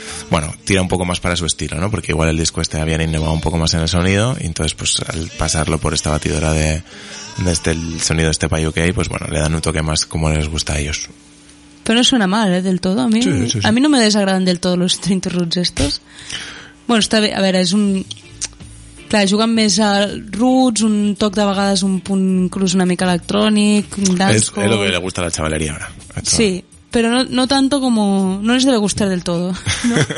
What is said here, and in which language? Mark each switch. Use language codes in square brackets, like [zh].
[es] Bueno, tira un poco más para su estilo, ¿no? Porque igual el disco este había innovado un poco más en el sonido, y entonces pues al pasarlo por esta batidora de el sonido de este Pay UK, pues bueno, le dan un toque más como les gusta a ellos. Pero no suena mal, ¿eh? Del todo. A mí no me desagradan del todo los Train to Roots estos. Bueno, está bien, a ver, es un... [ca] Clar, juguen més a roots, un toc de vegades un punt inclús una mica electrònic, dansco... És el que li [es] gusta a la chavalería ahora. [ca] Sí, però [es] no tanto como... No les debe gustar del todo, ¿no?